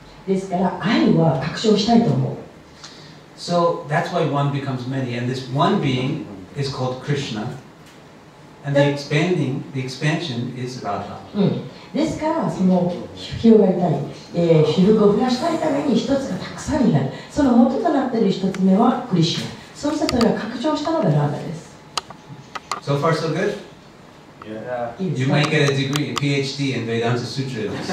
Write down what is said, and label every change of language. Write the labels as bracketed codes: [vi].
[ja] ですから愛は拡張したいと思う。 [en] So that's why one becomes many, and this one being is called Krishna, and the expansion is Radha. [ja] ですからその広がりたい、主力を増やしたいために一つがたくさんになる。その元となっている一つ目はクリシュナ。そしてそれが拡張したのがRadhaです。 [en] So far so good? Yeah. You might get a degree, a PhD in Vedanta Sutra.